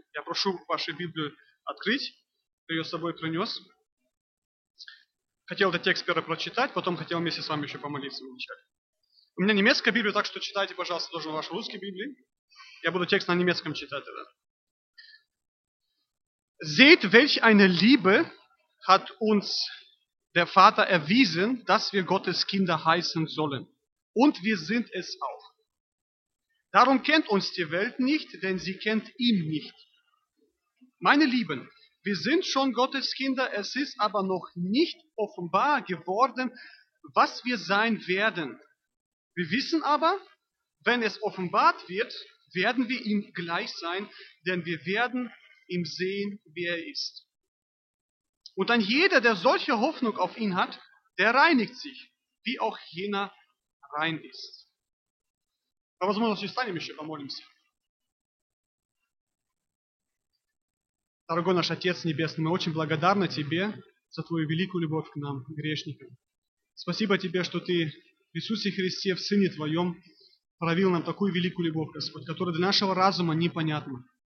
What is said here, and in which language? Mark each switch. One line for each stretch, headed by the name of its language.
Russian: Я прошу вашу Библию открыть, кто ее с собой принес. Хотел этот текст первый прочитать, потом хотел вместе с вами еще помолиться вначале. У меня немецкая Библия, так что читайте, пожалуйста, тоже ваши русские Библии. Я буду текст на немецком читать тогда.
German: Seht, welch eine Liebe hat uns der Vater erwiesen, dass wir Gottes Kinder heißen sollen. Und wir sind es auch. Darum kennt uns die Welt nicht, denn sie kennt ihn nicht. Meine Lieben, wir sind schon Gottes Kinder, es ist aber noch nicht offenbar geworden, was wir sein werden. Wir wissen aber, wenn es offenbart wird, werden wir ihm gleich sein, denn wir werden ihm sehen, wie er ist. Und ein jeder, der solche Hoffnung auf ihn hat, der reinigt sich, wie auch jener rein ist. Aber was muss man sich sagen?
Russian: Дорогой наш Отец Небесный, мы очень благодарны Тебе за Твою великую любовь к нам, грешникам. Спасибо Тебе, что Ты в Иисусе Христе, в Сыне Твоем, проявил нам такую великую любовь, Господь, которая для нашего разума непонятна.